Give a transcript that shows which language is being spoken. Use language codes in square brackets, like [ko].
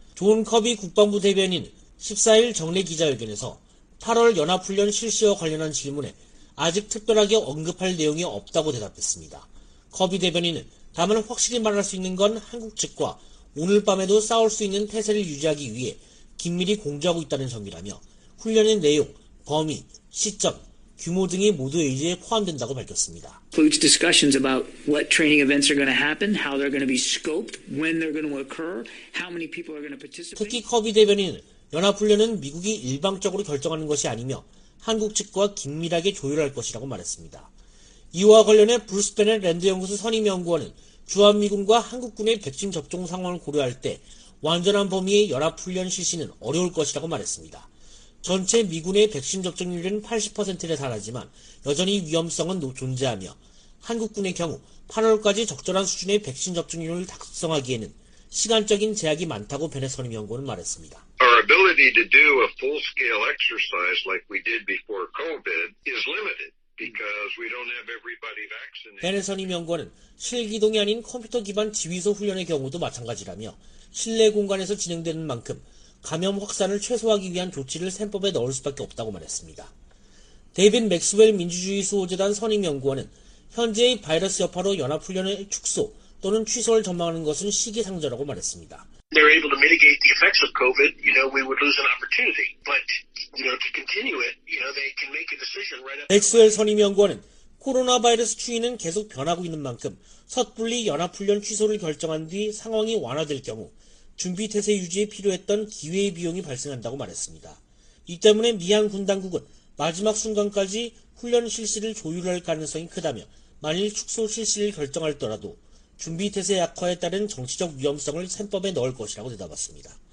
[ko] 존 커비 국방부 대변인 14일 정례 기자회견에서 8월 연합훈련 실시와 관련한 질문에 아직 특별하게 언급할 내용이 없다고 대답했습니다. 커비 대변인은 다만 확실히 말할 수 있는 건 한국 측과 오늘 밤에도 싸울 수 있는 태세를 유지하기 위해 긴밀히 공조하고 있다는 점이라며 훈련의 내용, 범위, 시점, 규모 등이 모두 의지에 포함된다고 밝혔습니다. [en] Includes discussions about what training events are going to happen, how they're going to be scoped, when they're going to occur, how many people are going to participate. [ko] 특히 커비 대변인은 연합훈련은 미국이 일방적으로 결정하는 것이 아니며 한국 측과 긴밀하게 조율할 것이라고 말했습니다. 이와 관련해 브루스 베넷 랜드연구소 선임연구원은 주한미군과 한국군의 백신 접종 상황을 고려할 때 완전한 범위의 연합훈련 실시는 어려울 것이라고 말했습니다. 전체 미군의 백신 접종률은 80%에 달하지만 여전히 위험성은 존재하며 한국군의 경우 8월까지 적절한 수준의 백신 접종률을 달성하기에는 시간적인 제약이 많다고 베넷 선임연구원은 말했습니다. [en] Our ability to do a full-scale exercise like we did before COVID is limited because we don't have everybody vaccinated. [ko] 베넷 선임연구원은 실기동이 아닌 컴퓨터 기반 지휘소 훈련의 경우도 마찬가지라며 실내 공간에서 진행되는 만큼 감염 확산을 최소화하기 위한 조치를 셈법에 넣을 수밖에 없다고 말했습니다. 데이빗 맥스웰 민주주의 수호재단 선임연구원은 현재의 바이러스 여파로 연합훈련의 축소 또는 취소를 전망하는 것은 시기상조라고 말했습니다. [en] They're able to mitigate the effects of COVID, you know, we would lose an opportunity. But, you know, to continue it, you know, they can make a decision right up. [ko] 맥스웰 선임연구원은 코로나 바이러스 추이는 계속 변하고 있는 만큼 섣불리 연합훈련 취소를 결정한 뒤 상황이 완화될 경우 준비태세 유지에 필요했던 기회의 비용이 발생한다고 말했습니다. 이 때문에 미한 군당국은 마지막 순간까지 훈련 실시를 조율할 가능성이 크다며 만일 축소 실시를 결정할더라도 준비태세 약화에 따른 정치적 위험성을 셈법에 넣을 것이라고 대답했습니다.